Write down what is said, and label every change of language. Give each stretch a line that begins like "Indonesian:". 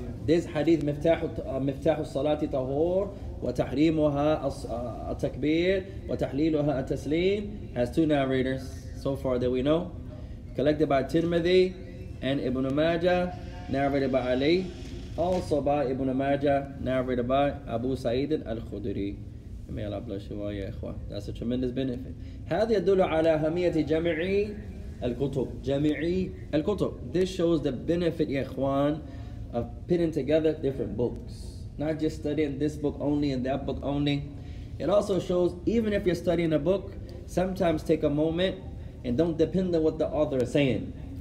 English: This hadith,
Arabic: مفتاح الصلاتي طهور وتحريمها التكبير وتحليلها التسليم,
English: has two narrators so far that we know. Collected by Tirmidhi and Ibn Majah, narrated by Ali. Also by Ibn Majah, narrated by Abu Sa'id al-Khudri. May Allah bless you all, ya ikhwan. That's a tremendous benefit.
Arabic: هذا يدل على أهمية جميع الكتب. جميع الكتب.
English: This shows the benefit, ya ikhwan, of putting together different books. Not just studying this book only and that book only. It also shows, even if you're studying a book, sometimes take a moment and don't depend on what the author is saying.